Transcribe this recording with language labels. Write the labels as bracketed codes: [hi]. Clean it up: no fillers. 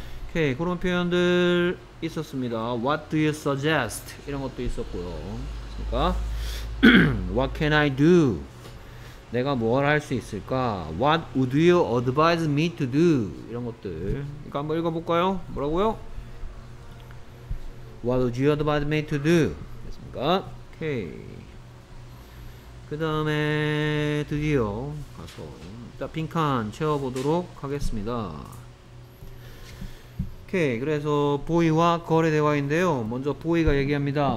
[ko] 오케이 그런 표현들 있었습니다. [en] what do you suggest [ko] 이런 것도 있었고요 됐습니까? [en] what can I do [ko] 내가 뭘 할 수 있을까? [en] What would you advise me to do? [ko] 이런 것들 그러니까 한번 읽어볼까요? 뭐라고요? [en] What would you advise me to do? [ko] 됐습니까? [en] Okay. [ko] 그 다음에 드디어 가서 자 빈칸 채워보도록 하겠습니다. 오케이, 그래서 보이와 거래 대화인데요. 먼저 보이가 얘기합니다.